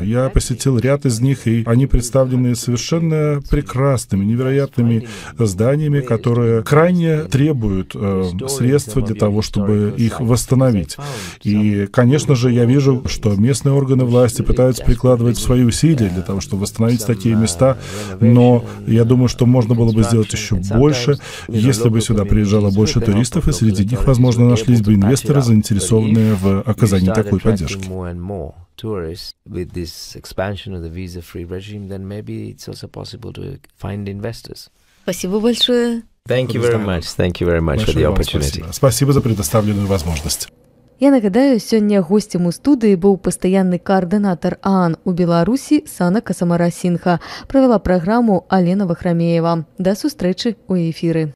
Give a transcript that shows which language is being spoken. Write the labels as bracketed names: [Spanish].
[Russian] Я посетил ряд из них, и они представлены совершенно прекрасными, невероятными зданиями, которые крайне требуют средств для того, чтобы их восстановить. И, конечно же, я вижу, что местные органы власти пытаются прикладывать свои усилия усилия для того, чтобы восстановить такие места, но я думаю, что можно было бы сделать еще больше, если бы сюда приезжало больше туристов, и среди них, возможно, нашлись бы инвесторы, заинтересованные в оказании такой поддержки. [English] Tourists with this expansion of the visa-free regime, then maybe it's also possible to find investors. [Russian] Спасибо большое. [English] Thank you very much. Thank you very much for the opportunity. [Russian] Спасибо за предоставленную возможность. Я нагадаю, сегодня гостем у студии был постоянный координатор ААН у Беларуси Сана Касамарасинха. Провела программу Алена Вахрамеева. До встречи у эфира.